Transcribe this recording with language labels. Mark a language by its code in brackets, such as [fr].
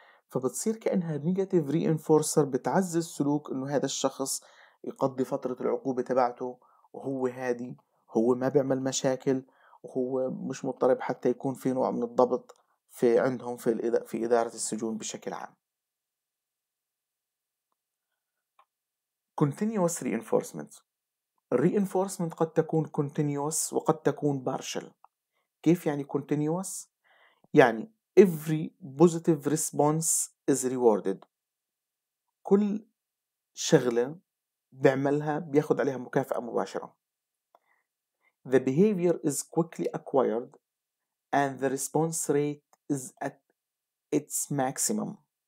[ar] فبتصير كأنها negative reinforcer بتعزز سلوك إنه هذا الشخص يقضي فترة العقوبة تبعته وهو هادي، هو ما بيعمل مشاكل، وهو مش مضطرب حتى يكون في نوع من الضبط في عندهم في إدارة السجون بشكل عام. [en] continuous reinforcement. [ar] reinforcement قد تكون continuous وقد تكون partial. [en] كيف يعني continuous؟ يعني every positive response is rewarded. [ar] كل شغلة بيعملها بياخد عليها مكافأة مباشرة. [en] the behavior is quickly acquired and the response rate is at its maximum.